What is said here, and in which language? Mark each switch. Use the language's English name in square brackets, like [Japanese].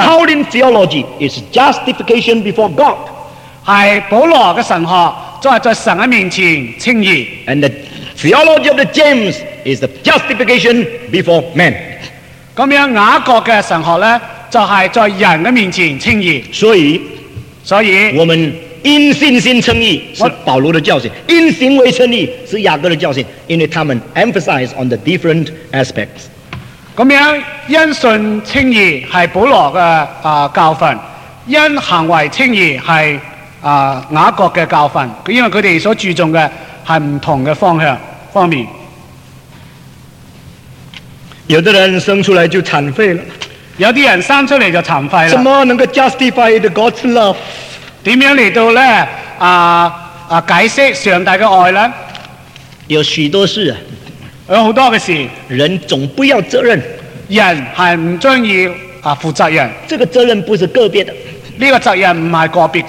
[English] The Pauline theology is justification before God， [Chinese] 是保罗的神学就是在神的面前称义。 [English] And the theology of the James is the justification before man， [Chinese] 这样雅各的神学呢就是在人的面前称义，所以我们因信心称义是保罗的教训，因行为称义是雅各的教训，因为他们 [English] emphasize on the different aspects。 [Chinese] 这样因信称义是保罗的教训，因行为称义是雅各的教训，因为他们所注重的是不同的方面。有的人生出来就残废了，有的人生出来就残废了，怎么能够 [English] justify the God's love？ [Chinese] 怎样来到呢解释上帝的爱呢？有许多事，有很多的事，人总不要责任，人是不专意负责任，这个责任不是个别的，这个责任不是个别的，